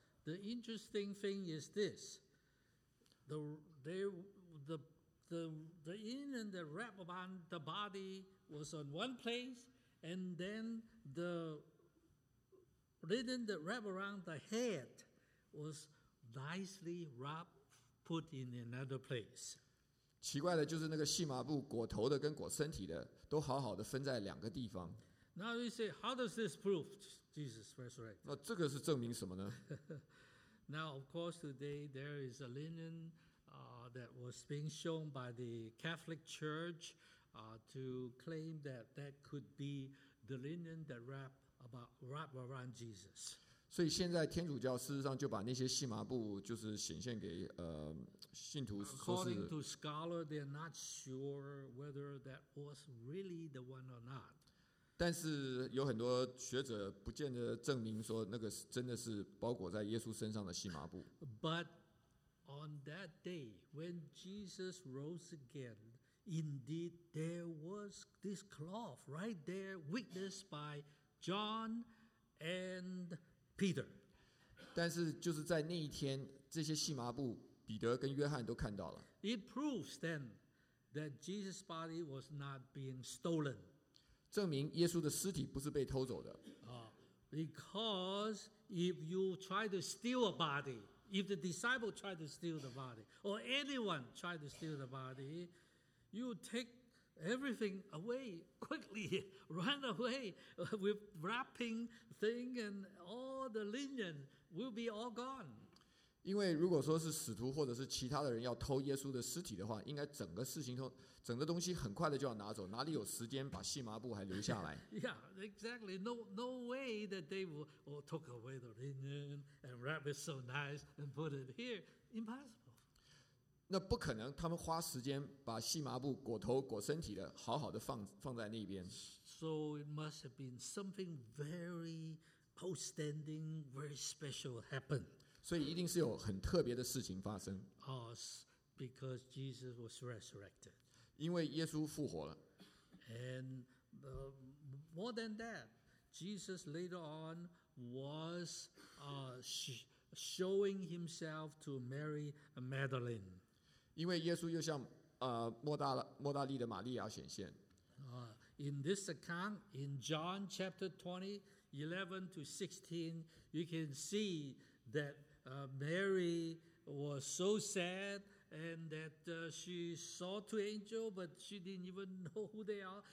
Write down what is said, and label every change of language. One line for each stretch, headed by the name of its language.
English: the interesting thing is this the linen that wrapped around the body was on one place and then the linen that wrapped around the head was nicely wrapped, put in another place.
Chinese: 奇怪的就是那个细麻布裹头的跟裹身体的都好好的分在两个地方。
English: Now you say, how does this prove Jesus resurrected?
Chinese: 那这个是证明什么呢？
English: Now, of course, today there is a linen that was being shown by the Catholic Church to claim that that could be the linen that wrapped around Jesus.
Chinese: 所以现在天主教事实上就把那些细麻布就是显现给信徒说是。
English: According to scholar, they're not sure whether that was really the one or not.
Chinese: 但是有很多学者不见得证明说那个真的是包裹在耶稣身上的细麻布。
English: But on that day when Jesus rose again, indeed there was this cloth right there witnessed by John and Peter.
Chinese: 但是就是在那一天，这些细麻布，彼得跟约翰都看到了。
English: It proves then that Jesus' body was not being stolen.
Chinese: 证明耶稣的尸体不是被偷走的。
English: Because if you try to steal a body, if the disciple tried to steal the body, or anyone tried to steal the body, you take everything away quickly, run away with wrapping thing and all the linen will be all gone.
Chinese: 因为如果说是使徒或者是其他的人要偷耶稣的尸体的话，应该整个事情都整个东西很快的就要拿走，哪里有时间把细麻布还留下来？
English: Yeah, exactly. No way that they will took away the linen and wrap it so nice and put it here. Impossible.
Chinese: 那不可能，他们花时间把细麻布裹头裹身体的好好的 放在那边。
English: So it must have been something very outstanding, very special happened.
Chinese: 所以一定是有很特别的事情发生。
English: Because Jesus was resurrected.
Chinese: 因为耶稣复活了。
English: And more than that, Jesus later on was showing himself to Mary Magdalene.
Chinese: 因为耶稣又向莫大利的玛利亚显现。
English: In this account, in John chapter 20, 11 to 16, you can see that Mary was so sad and that she saw two angels, but she didn't even know who they are.